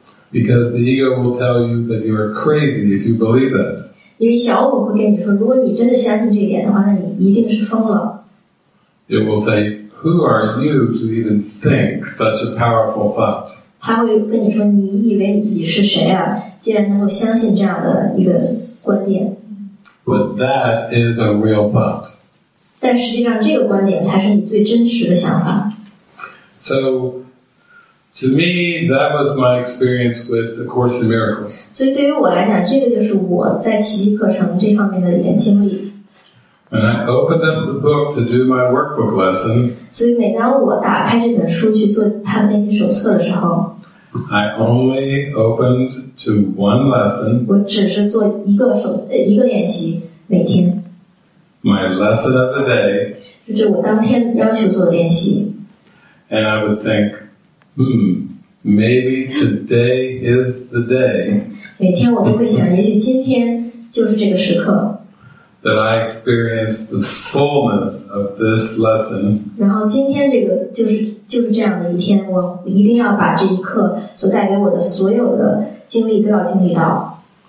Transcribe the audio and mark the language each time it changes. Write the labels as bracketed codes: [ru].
[en] Because the ego will tell you that you are crazy if you believe that. It will say, who are you to even think such a powerful thought? [zh] 他会跟你说, 你以为你自己是谁啊, 既然能够相信这样的一个观点。 [en] But that is a real thought. [zh] 但实际上这个观点才是你最真实的想法。 [en] So, to me, that was my experience with the Course in Miracles. [zh] 所以对于我来讲, 这个就是我在奇迹课程这方面的一点经历。 [en] When I opened up the book to do my workbook lesson, [zh] 所以每当我打开这本书去做他的那些手册的时候, [en] I only opened to one lesson. [zh] 我只是做一个练习, 每天。 [en] My lesson of the day. [zh] 就是我当天要求做的练习。 [en] And I would think, maybe today is the day. [zh] 每天我都会想, 也许今天就是这个时刻。 [en] That I experienced the fullness of this lesson. [zh] 然后今天这个就是这样的一天, 我一定要把这一刻所带给我的所有的经历都要经历到。